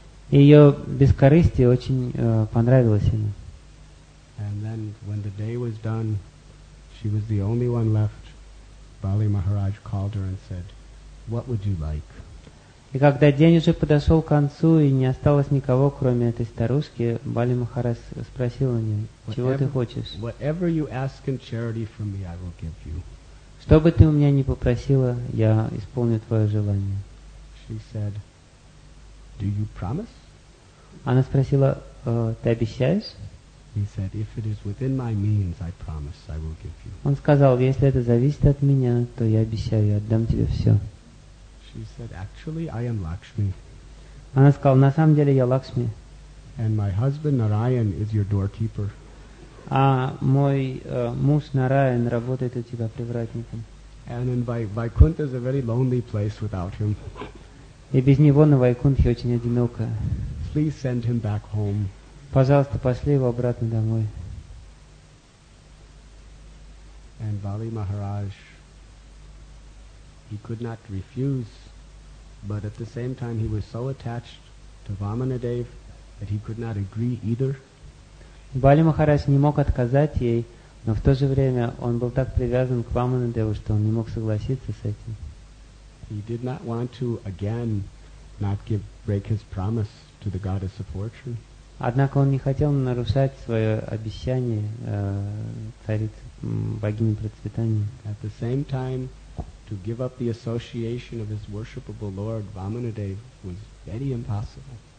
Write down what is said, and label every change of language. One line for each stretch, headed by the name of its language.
Russian: Ее бескорыстие очень понравилось ему.
English: And then when the day was done, she was the only one left Бали Махарадж called her and said, "What would you like?"
Russian: И когда день уже подошел к концу и не осталось никого, кроме этой старушки, Бали Махарадж спросил у нее, "Чего ты хочешь?"
English: Whatever you ask in charity from me, I will give you.
Russian: Что бы ты у меня ни попросила, я исполню твое желание.
English: She said, "Do you promise?"
Russian: Она спросила, "Ты обещаешь?"
English: He said, "If it is within my means, I promise I will give you."
Russian: Он сказал, "Если это зависит от меня, то я обещаю, я отдам тебе все."
English: She said, "Actually, I am Lakshmi."
Russian: Она сказала, "На самом деле я Лакшми."
English: And my husband Narayan is your doorkeeper.
Russian: А мой муж Нараян работает у тебя привратником.
English: And in Vaikunth is a very lonely place without him.
Russian: И без него на Вайкунтхе очень одиноко.
English: Please send him back home.
Russian: Пожалуйста, пошли его обратно домой.
English: And Бали Махарадж, he could not refuse, but at the same time he was so attached to Vamanadev that he could not agree either.
Russian: Бали Махарадж не мог отказать ей, но в то же время он был так привязан к Ваманадеву, что он не мог согласиться с этим.
English: He did not want to again not give break his promise to the goddess of fortune.
Russian: Однако он не хотел нарушать свое обещание царице богине процветания.
English: At the same time, to give up the association of his worshipable lord Vamanadev was very impossible.